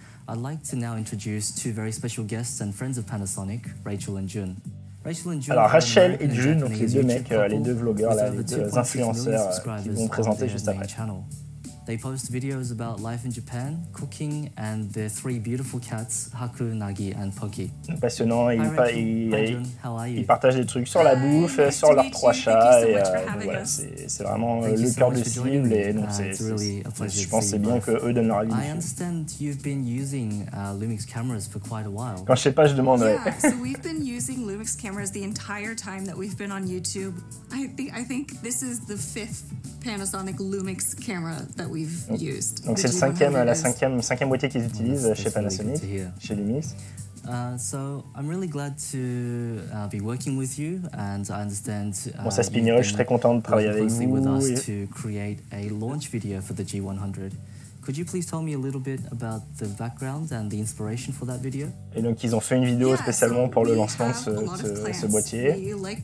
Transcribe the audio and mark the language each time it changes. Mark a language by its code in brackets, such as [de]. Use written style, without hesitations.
[en] I'd like to now introduce two very special guests and friends of Panasonic, Rachel and June. [fr] Alors Rachel et June, donc les deux mecs, les deux vlogueurs, là, les deux influenceurs qui vont présenter juste après. [en] They post videos about life in Japan, cooking, and their three beautiful cats, Haku, Nagi, and Poki. [fr] Passionnant, ils partagent des trucs sur la bouffe, sur leurs trois chats, et c'est vraiment le cœur de cible, et donc je pense que c'est bien qu'eux donnent leur avis. [en] I understand you've been using Lumix cameras for quite a while. [fr] Quand je sais pas, je demande. [en] Yeah, so we've been using Lumix cameras the entire time that we've been on YouTube. I think this is the fifth Panasonic Lumix camera that we've used. [fr] Donc c'est la cinquième boîtier qu'ils utilisent chez Panasonic, chez Lumix. [en] So I'm really glad to be working with you, and I understand. [fr] Bon, ça spinne, je suis très content de travailler avec vous. [en] With us to create a launch video for the G100. Could you please tell me a little bit about the background and the inspiration for that video? [fr] Et donc ils ont fait une vidéo spécialement pour le lancement de ce boîtier.